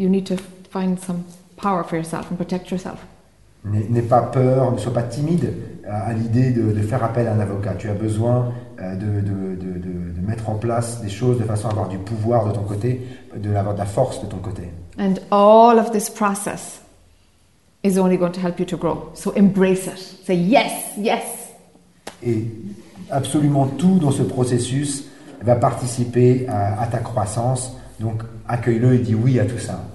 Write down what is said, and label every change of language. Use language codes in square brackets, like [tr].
[en] You need to find some power for yourself and protect yourself. [fr] N'aie pas peur, ne sois pas timide à l'idée de faire appel à un avocat. Tu as besoin de mettre en place des choses de façon à avoir du pouvoir de ton côté, d'avoir de la force de ton côté. [en] And all of this process is only going to help you to grow. So embrace it. Say yes. [fr] Et absolument tout dans ce processus va participer à ta croissance. Donc accueille-le et dis oui à tout ça.